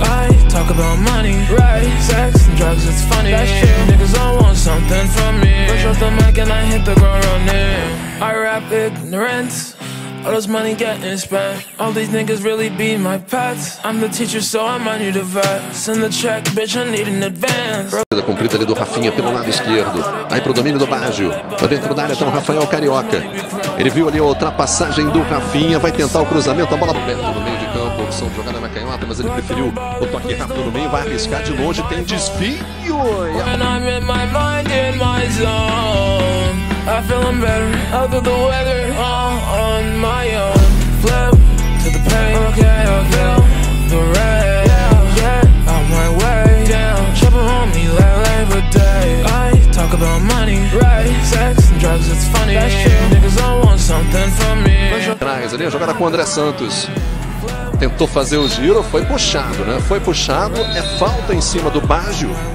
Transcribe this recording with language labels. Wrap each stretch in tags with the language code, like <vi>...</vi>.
<en>I talk about money, right? Sex and drugs, it's funny. That's true. Niggas all want something from me. Push off the mic and I hit the ground running. I rap ignorance. All this money getting spent. All these niggas really be my pets. I'm the teacher, so I'm on you to vet. Send the check, bitch, I need an advance.</en> <pt>A cumprida ali do Rafinha pelo lado esquerdo. Aí pro domínio do Baggio. Pra dentro da área tá o Rafael Carioca. Ele viu ali a ultrapassagem do Rafinha. Vai tentar o cruzamento. A bola aberta no meio de campo. opção de jogada na canhota, mas ele preferiu o toque rápido no meio, vai arriscar de longe, tem desvio.</pt> <en>When I'm in my mind, in my zone, I'm feeling better, out of the weather, all on my own. Flip to the pain, okay, I feel the rain. Yeah, on my way down, trouble on me like Labor Day. I talk about money, right, sex and drugs, it's funny. That's true, niggas all want something from me.</en> <pt>Ali, a jogada com o André Santos. Tentou fazer o giro, foi puxado, né? Foi puxado, é falta em cima do Baggio.</pt>